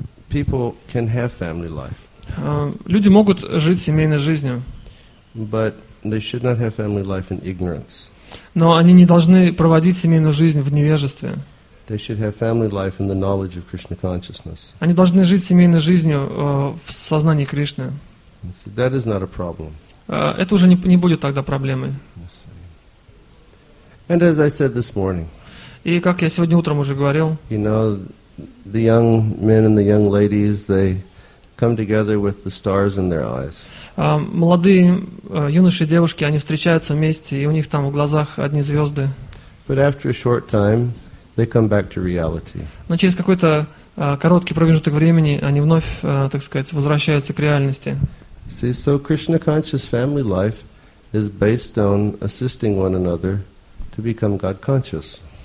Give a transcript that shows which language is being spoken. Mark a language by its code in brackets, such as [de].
[en] People can have family life. [ru] Люди могут жить семейной жизнью. [en] But they should not have family life in ignorance. [ru] Но они не должны проводить семейную жизнь в невежестве. [en] They should have family life in the knowledge of Krishna consciousness. [ru] Они должны жить семейной жизнью в сознании Кришны. [en] That is not a problem. [ru] Это уже не будет тогда проблемой. [en] And as I said this morning. [ru] И как я сегодня утром уже говорил. [en] You know, the young men and the young ladies, they come together with the stars in their eyes. [ru] Молодые юноши и девушки, они встречаются вместе, и у них там в глазах одни звезды. [en] But after a short time, they come back to reality. [ru] Но через какой-то короткий промежуток времени они вновь, так сказать, возвращаются к реальности. [en] See, so Krishna conscious family life is based on assisting one another to become God conscious.